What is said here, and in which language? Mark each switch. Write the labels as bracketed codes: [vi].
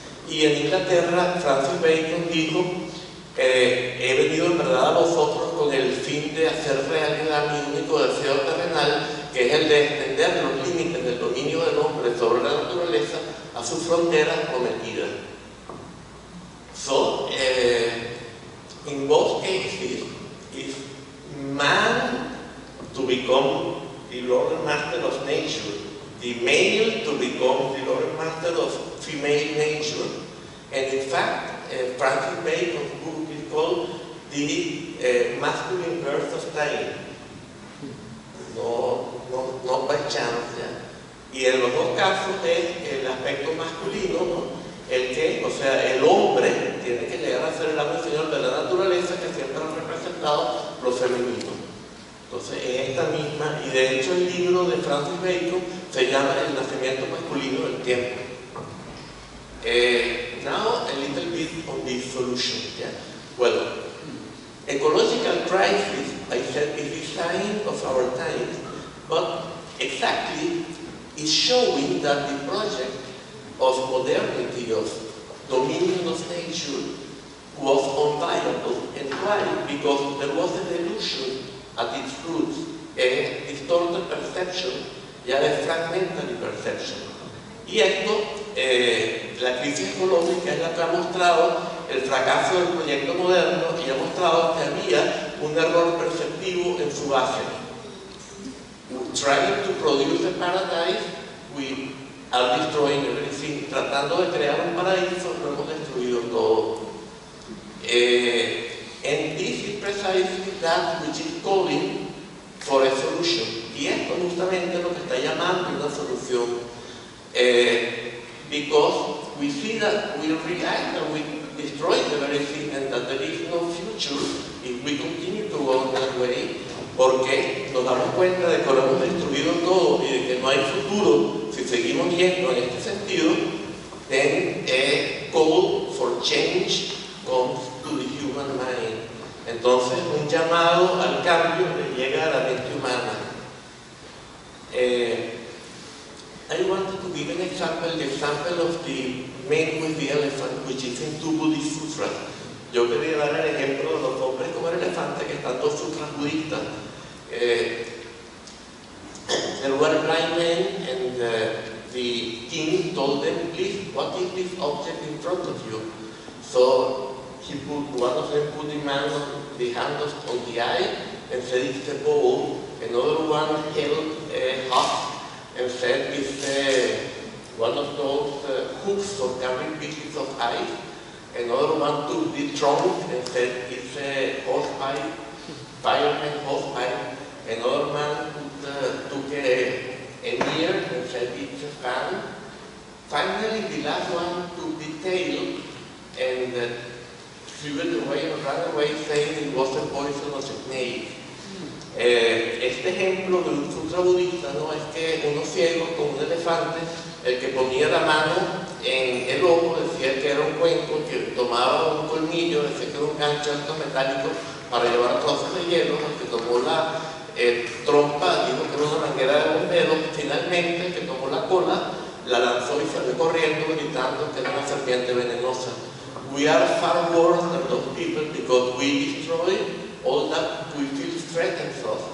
[es] Y en Inglaterra, Francis Bacon dijo, he venido en verdad a vosotros con el fin de hacer realidad mi único deseo terrenal, que es el de extender los límites del dominio del hombre sobre la naturaleza a sus fronteras cometidas. [en] So, in both cases, if man to become the Lord and Master of Nature, the male to become the Lord and Master of female nature, and in fact, Francis Bacon's book is called The Masculine Birth of Time. No by chance, ya. [es] Y en los dos casos es el aspecto masculino, ¿no? El que, o sea, el hombre tiene que llegar a ser el amo y señor de la naturaleza que siempre han representado los femeninos. Entonces es esta misma, y de hecho el libro de Francis Bacon se llama El Nacimiento Masculino del Tiempo. [en] Now a little bit on the solution. Yeah? Well, ecological crisis, I said, is the sign of our time, but exactly is showing that the project of modernity, of dominion of nature, was unviable. And why? Because there was a delusion at its roots, a distorted perception, yet a fragmentary perception. [es] Y esto, la crisis ecológica es la que ha mostrado el fracaso del proyecto moderno y ha mostrado que había un error perceptivo en su base. [en] Trying to produce a paradise, we are destroying everything. [es] Tratando de crear un paraíso, lo hemos destruido todo. [en] And this is precisely that which is calling for a solution. [es] Y esto justamente lo que está llamando una solución. [en] Because we see that we realize that we destroyed everything and that there is no future if we continue to go that way. [es] Porque nos damos cuenta de que lo hemos destruido todo y de que no hay futuro si seguimos yendo en este sentido. [en] Then a call for change comes to the human mind. [es] Entonces un llamado al cambio le llega a la mente humana. [en] I wanted to give an example, the example of the man with the elephant, which is in two Buddhist sutras. [es] Yo quería dar el ejemplo de los hombres como el elefante, que están dos sutras budistas. [en] There were blind men, and the king told them, please, what is this object in front of you? So he put, one of them put the man, the hand on the eye, and said, it's a bowl. Another one held a husk and said, it's one of those hooks of carrying pieces of ice. Another one took the trunk and said, it's a horse pipe, fireman horse pipe. Another man took an ear and said, it's a fan. Finally, the last one took the tail and threw it away and ran away, saying it was a poisonous snake. [es] Este ejemplo de un sutra budista, ¿no?, es que unos ciegos con un elefante, el que ponía la mano en el ojo decía que era un cuenco, que tomaba un colmillo, decía que era un gancho alto metálico para llevar trozos de hielo, el que tomó la trompa dijo que era una manguera de bomberos, finalmente el que tomó la cola la lanzó y salió corriendo gritando que era una serpiente venenosa. [en] We are far worse than those people because we destroy all that we feel threatened of.